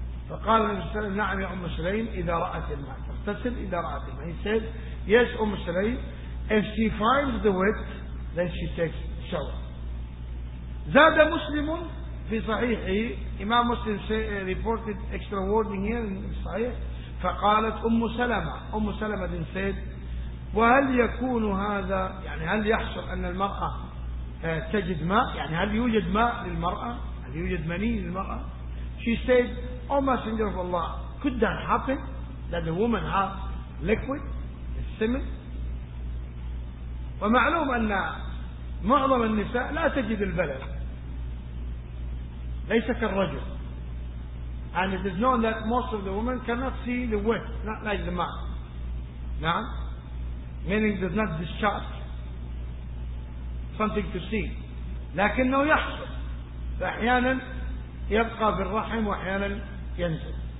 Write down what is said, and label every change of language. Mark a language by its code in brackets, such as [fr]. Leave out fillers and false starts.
[ar] فقال النبي صلى الله عليه وسلم نعم يا أم سليم إذا رأت الماء تغتسل إذا رأت الماء. [en] He said yes أم سليم, if she finds the wet then she takes shower. [ar] زاد مسلم في صحيحه, إمام مسلم [en] reported extra wording here in [ar] صحيح. فقالت أم سلمة, أم سلمة [en] then said, [ar] وهل يكون هذا, يعني هل يحصل أن المرأة تجد ماء, يعني هل يوجد ماء للمرأة, هل يوجد مني للمرأة. [en] She said, O Messenger of Allah, could that happen that the woman has liquid, the semen? [ar] ومعلوم أن معظم النساء لا تجد البلد, ليس كالرجل. [en] And it is known that most of the women cannot see the wet, not like the man. نعم, meaning does not discharge something to see. [ar] لكنه يحصل, فأحيانا يبقى بالرحم وأحيانا ينزل.